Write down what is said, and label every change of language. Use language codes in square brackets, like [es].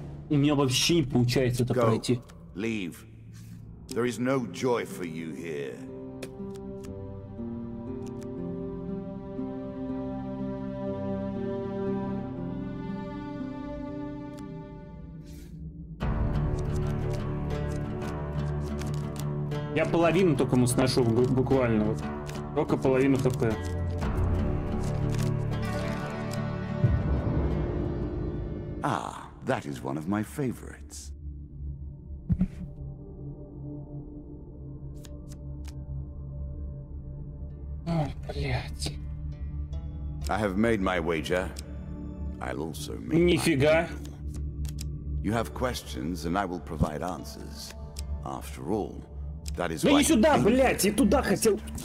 [ru] У меня вообще не получается это пройти. [en] Leave. There is no joy for you here. [ru] Я половину только ему сношу, буквально вот. Только половину ХП. [en] Ah, that is one of my favorites. [ru] О, блядь. [en] I have made my wager. I'll also make my deal. [ru] Нифига. [en] You have questions, and I will provide answers. After all. [ru] Да не сюда, блядь, я туда хотел.